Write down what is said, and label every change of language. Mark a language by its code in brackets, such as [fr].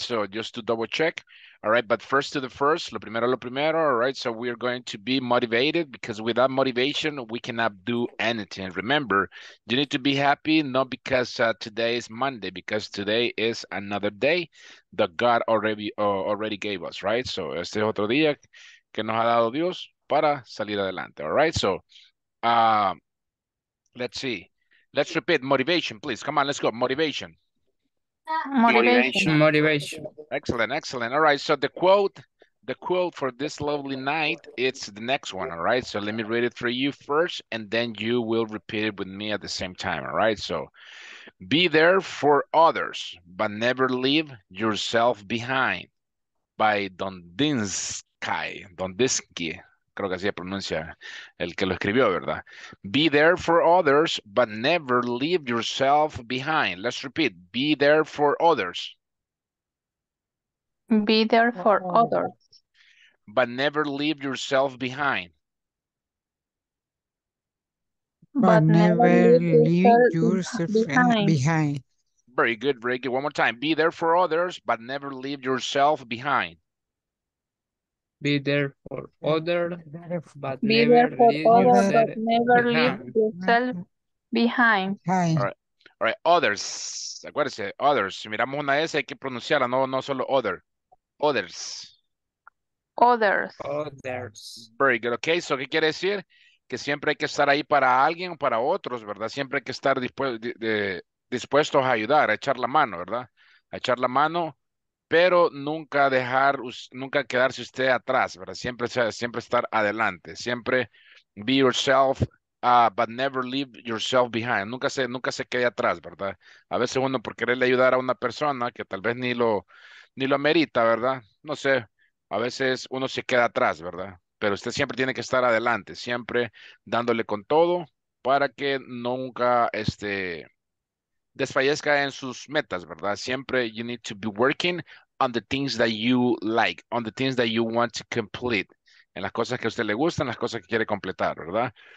[en] So just to double check. All right. But first to the first. [es] Lo primero. [en] All right. So we are going to be motivated, because without motivation, we cannot do anything. Remember, you need to be happy, not because today is Monday, because today is another day that God already gave us. Right. [es] So este otro día que nos ha dado Dios para salir adelante. [en] All right. So let's see. Let's repeat motivation, please. Come on. Let's go. Motivation. Motivation. Motivation. Excellent, excellent. All right, so the quote for this lovely night, it's the next one, all right? So let me read it for you first, and then you will repeat it with me at the same time, all right? So be there for others, but never leave yourself behind, by Dondinsky. [es] Creo que así se pronuncia el que lo escribió, ¿verdad? [en] Be there for others, but never leave yourself behind. Let's repeat. Be there for others. Be there for others. But never leave yourself behind. But never leave yourself behind. Very good, very good. One more time. Be there for others, but never leave yourself behind. Be there for others, but be never, there for leave, others, yourself but never leave yourself behind. All right, others. [es] Acuérdense, [en] others. [es] Si miramos una S, hay que pronunciarla, no solo other. Others. [en] Others. Others. Very good. Okay, so [es] ¿qué quiere decir? Que siempre hay que estar ahí para alguien o para otros, ¿verdad? Siempre hay que estar dispuestos a ayudar, a echar la mano, ¿verdad? A echar la mano. Pero nunca dejar, nunca quedarse usted atrás, ¿verdad? Siempre estar adelante. Siempre [en] be yourself, but never leave yourself behind. [es] Nunca se quede atrás, ¿verdad? A veces uno por quererle ayudar a una persona que tal vez ni lo amerita, ¿verdad? No sé, a veces uno se queda atrás, ¿verdad? Pero usted siempre tiene que estar adelante, siempre dándole con todo para que nunca desfallezca en sus metas, ¿verdad? Siempre [en] you need to be working on the things that you like, on the things that you want to complete. [es] En las cosas que a usted le gustan, las cosas que quiere completar, ¿verdad?